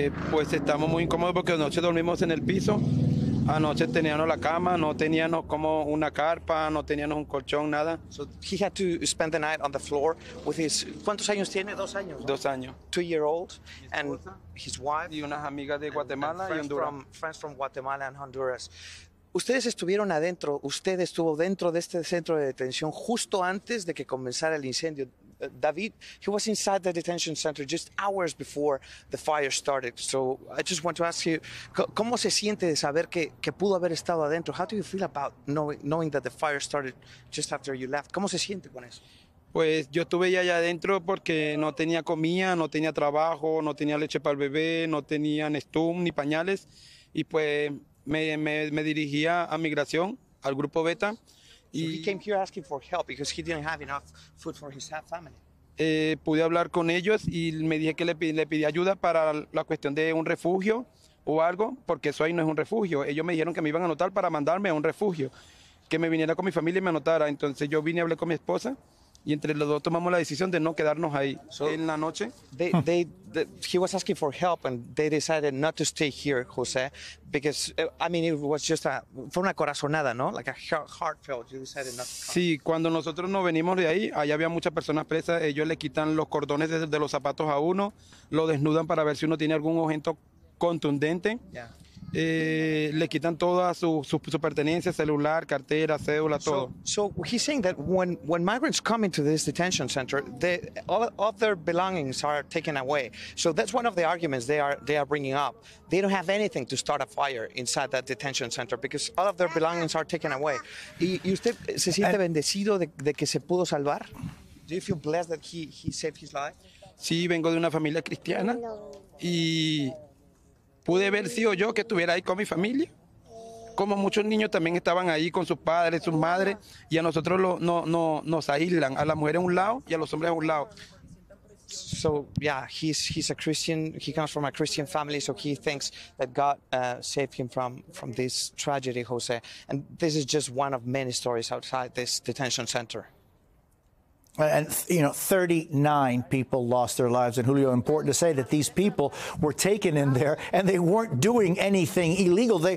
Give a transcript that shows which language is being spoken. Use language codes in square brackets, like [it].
[es] Pues estamos muy incómodos porque anoche dormimos en el piso. Anoche teníamos la cama, no teníamos como una carpa, no teníamos un colchón, nada. [en] So he had to spend the night on the floor with his... [es] ¿Cuántos años tiene? Dos años. Dos años. [en] Two-year-old. And his wife. [es] Y unas amigas de Guatemala [en] and [es] y Honduras. [en] Friends from Guatemala and Honduras. [es] Ustedes estuvieron adentro, usted estuvo dentro de este centro de detención justo antes de que comenzara el incendio. [en] David, he was inside the detention center just hours before the fire started. So I just want to ask you, [es] ¿cómo se siente de saber que pudo haber estado adentro? [en] How do you feel about knowing that the fire started just after you left? [es] ¿Cómo se siente con eso? Pues yo estuve ya allá adentro porque no tenía comida, no tenía trabajo, no tenía leche para el bebé, no tenía Nestum ni pañales. Y pues me dirigía a Migración, al grupo Beta. [en] So he came here asking for help because he didn't have enough food for his family. [es] Pude hablar con ellos y me dije que le pedí ayuda para la cuestión de un refugio o algo, porque eso ahí no es un refugio. Ellos me dijeron que me iban a anotar para mandarme a un refugio, que me viniera con mi familia y me anotara. Entonces yo vine y hablé con mi esposa y entre los dos tomamos la decisión de no quedarnos ahí en la noche. [en] He was asking for help and they decided not to stay here, Jose, because, I mean, it was just a, [es] fue una corazonada, ¿no? [en] Like a heartfelt, you decided not to come. [es] Sí, cuando nosotros nos venimos de ahí, allá había muchas personas presas, ellos le quitan los cordones de los zapatos a uno, lo desnudan para ver si uno tiene algún objeto contundente. [en] Yeah. [es] Le quitan toda su pertenencia, celular, cartera, cédula, todo. [en] So he's saying that when migrants come into this detention center, all of their belongings are taken away. So that's one of the arguments they are bringing up. They don't have anything to start a fire inside that detention center because all of their belongings are taken away. [es] ¿Y usted se siente bendecido de que se pudo salvar? [en] Do you feel blessed that he saved his life? [es] Sí, vengo de una familia cristiana y pude haber sido yo que estuviera ahí con mi familia, como muchos niños también estaban ahí con sus padres, sus madres, y a nosotros nos aíslan, a las mujeres a un lado y a los hombres a un lado. [en] So yeah, he's a Christian. He comes from a Christian family, so he thinks that God saved him from this tragedy, Jose. And this is just one of many stories outside this detention center. And, you know, 39 people lost their lives. And, Julio, important to say that these people were taken in there and they weren't doing anything illegal.